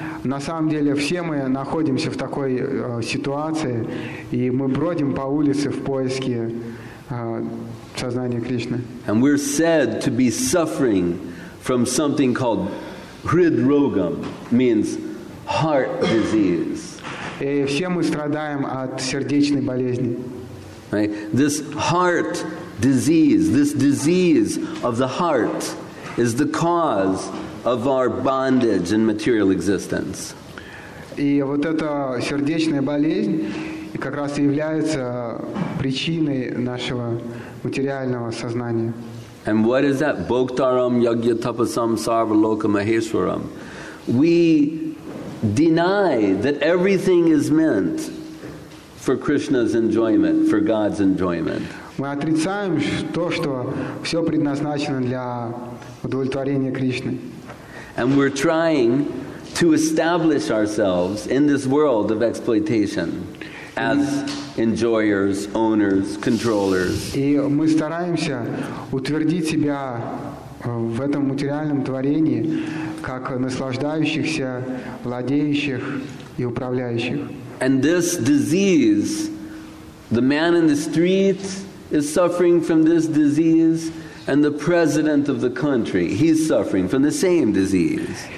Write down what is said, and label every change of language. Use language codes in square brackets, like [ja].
[ru] На самом деле все мы находимся в такой ситуации, и мы бродим по улице в поиске сознания Кришны. [en] And we're said to be suffering from something called Hridrogam, means heart disease. [ru] И все мы страдаем от сердечной болезни. [en] Right? This heart disease, this disease of the heart is the cause of our bondage in material existence. [ru] И вот эта сердечная болезнь как раз и является причиной нашего материального сознания. [en] And what is that? [sa] Bhoktaram yajna tapasam sarvaloka maheshwaram. [en] We deny that everything is meant for Krishna's enjoyment, for God's enjoyment. [ru] Мы отрицаем то, что все предназначено для удовлетворения Кришны. [en] And we're trying to establish ourselves in this world of exploitation as enjoyers, owners, controllers. [ru] И мы стараемся утвердить себя в этом материальном творении как наслаждающихся, владеющих и управляющих. [en] And this disease, the man in the street is suffering from this disease, and the president of the country, he's suffering from the same disease.